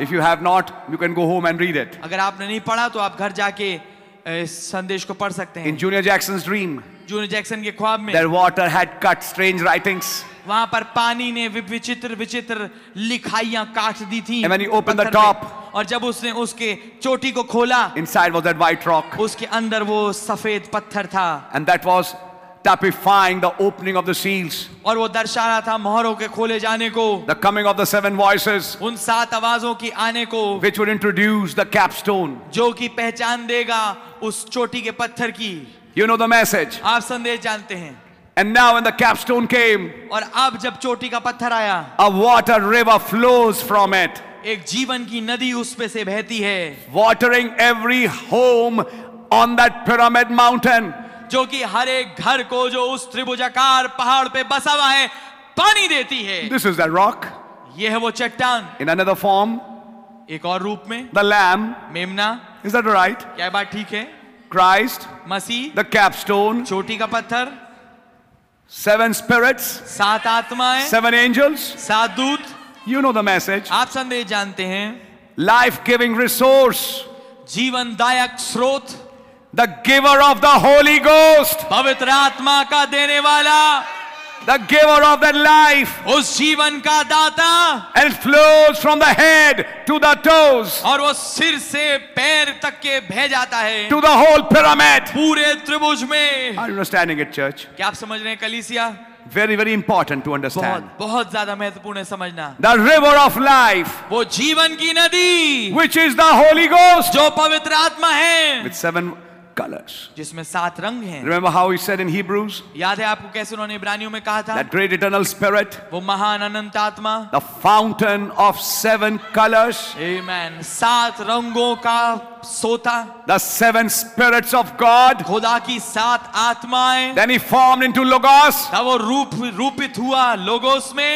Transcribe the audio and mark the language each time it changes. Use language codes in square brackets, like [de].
[en] If you have not, you can go home and read it. [hi] अगर आपने नहीं पढ़ा तो आप घर जाके इस संदेश को पढ़ सकते हैं. [en] In Junior Jackson's dream, [hi] junior Jackson के ख्वाब में, [en] their water had cut strange writings. [hi] वहाँ पर पानी ने विचित्र विचित्र लिखाइयाँ काट दी थी. [en] And when he opened the top, [hi] और जब उसने उसके चोटी को खोला [en] Inside was that white rock. [hi] उसके अंदर वो सफेद पत्थर था [en] And that was typifying the opening of the seals. [hi] और वो दर्शा रहा था मोहरों के खोले जाने को [en] The coming of the seven voices. [hi] उन सात आवाजों की आने को [en] Which would introduce the capstone. [hi] जो कि पहचान देगा उस चोटी के पत्थर की [en] You know the message. [hi] आप संदेश जानते हैं [en] And now when the capstone came, [hi] और अब जब चोटी का पत्थर आया, [en] a water river flows from it. [hi] एक जीवन की नदी उसमें से बहती है, [en] watering every home on that pyramid mountain. [hi] जो कि हर एक घर को जो उस त्रिभुजाकार पहाड़ पे बसा हुआ है, पानी देती है. [en] This is the rock. [hi] यह है वो चट्टान. [en] In another form, [hi] एक और रूप में, [en] the lamb, [hi] मेमना. [en] Is that right? [hi] क्या बात ठीक है? [en] Christ, [hi] मसीह, [en] the capstone, [hi] चोटी का पत्थर. [en] Seven spirits, [hi] सात आत्माएं, [en] seven angels, [hi] सात दूत. [en] You know the message. [hi] आप संदेश जानते हैं. [en] Life-giving resource, [hi] जीवनदायक स्रोत. [en] The giver of the Holy Ghost, [hi] पवित्र आत्मा का देने वाला. [en] The giver of that life, [hi] उस जीवन का दाता. [en] And it flows from the head to the toes, [hi] और वो सिर से पैर तक के बह जाता है. [en] To the whole pyramid, [hi] पूरे त्रिभुज में. [en] Are you understanding it, church? [hi] क्या आप समझ रहे हैं कलीसिया? [en] Very, very important to understand. [hi] बहुत ज़्यादा महत्वपूर्ण है समझना. [en] The river of life, [hi] वो जीवन की नदी. [en] Which is the Holy Ghost, [hi] जो पवित्र आत्मा है. [en] With seven colors [hi] जिसमें सात रंग हैं. [en] Remember how he said in Hebrews, [hi] याद है आपको कैसे उन्होंने इब्रानियों में कहा था? [en] That great eternal spirit, [hi] वो महान अनंत आत्मा. [en] The fountain of seven colors, [hi] amen, सात रंगों का सोता. [en] The seven spirits of God, [hi] खुदा की सात आत्माएं. [en] Then he formed into logos, [hi] तब वो रूपित हुआ लोगोस में.